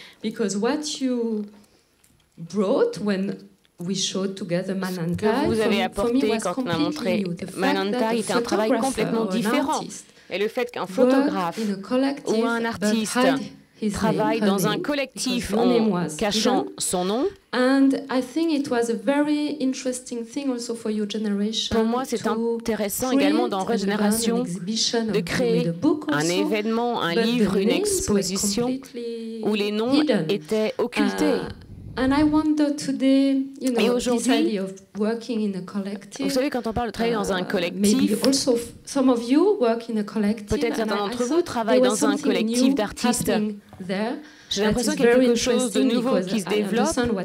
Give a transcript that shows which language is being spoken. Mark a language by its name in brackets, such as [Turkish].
[English] Because what you brought when we showed together Manantai, [French] ce que vous avez apporté quand on a montré Manantai était un travail complètement différent. Et le fait qu'un photographe ou un artiste travaille dans un collectif en cachant son nom. [English] And I think it was a very interesting thing also for your generation. [French] Pour moi, c'est intéressant également dans reGeneration de créer un événement, un livre, une exposition où les noms étaient occultés. [English] And I wonder today, you know, this idea of working in a collective. [French] Vous savez, quand on parle de travailler dans un collectif, [English] also some of you work in a collective. [French] Peut-être certains d'entre vous travaillent dans un collectif d'artistes. J'ai l'impression qu'il y a quelque chose de nouveau qui se développe.